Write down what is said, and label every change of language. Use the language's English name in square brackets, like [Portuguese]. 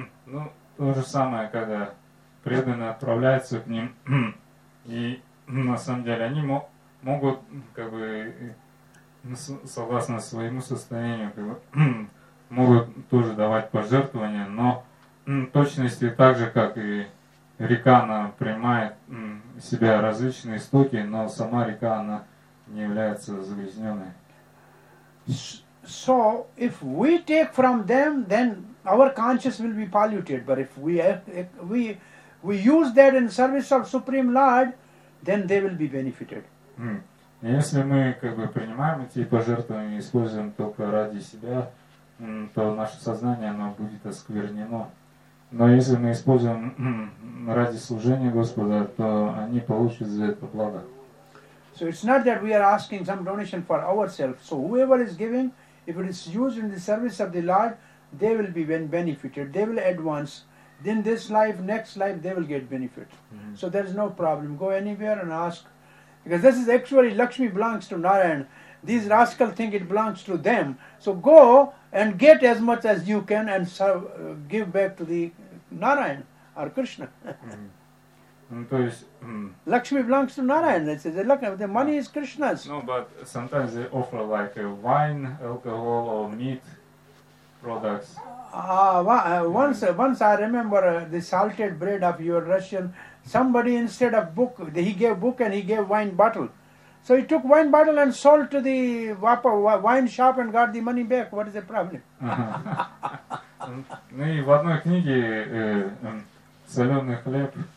[Russian] Ну, то же самое, когда преданные отправляются к ним, и на самом деле они могут, как бы, согласно своему состоянию, как бы, могут тоже давать пожертвования, но точности так же, как и река, она принимает в себя различные истоки, но сама река, она не является загрязненной. [English] So, if we take from them, then our conscience will be polluted. But if we use that in service of Supreme Lord, then they will be benefited. [Russian] Если мы как бы принимаем эти пожертвования и используем только ради себя, то наше сознание, оно будет осквернено. Но если мы используем ради служения Господа, то они получат за это благо. [English] So it's not that we are asking some donation for ourselves. So whoever is giving, if it is used in the service of the Lord, they will be benefited. They will advance. Then this life, next life, they will get benefit. So there is no problem. Go anywhere and ask. Because this is actually, Lakshmi belongs to Narayan. These rascals think it belongs to them. So go and get as much as you can and serve, give back to the Narayan or Krishna. [Russian] То есть [English] Lakshmi belongs to Narayan. It says the money is Krishna's. No, but sometimes they offer like wine, alcohol, or meat products. Once I remember the salted bread of your Russian. Somebody instead of book, he gave book and he gave wine bottle. So he took wine bottle and sold to the wine shop and got the money back. What is the problem? [Russian] Ну и в одной книге соленый хлеб.